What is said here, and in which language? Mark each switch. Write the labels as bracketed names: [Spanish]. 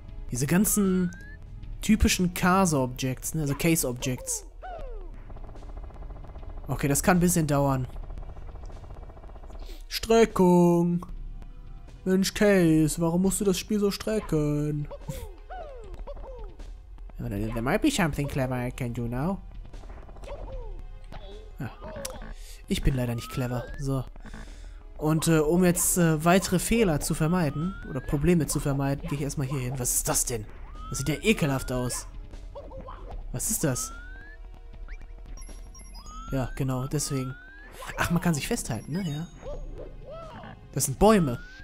[German] Diese ganzen typischen Case-Objects, ne? Also Case-Objects. Okay, das kann ein bisschen dauern. Streckung! Mensch, Case, warum musst du das Spiel so strecken? [English] There might be something clever I can do now. [German] Ja. Ich bin leider nicht clever, so. Und um jetzt weitere Fehler zu vermeiden, oder Probleme zu vermeiden, gehe ich erstmal hier hin. Was ist das denn? Das sieht ja ekelhaft aus. Was ist das? Ja, genau, deswegen. Ach, man kann sich festhalten, ne? Ja. Das sind Bäume.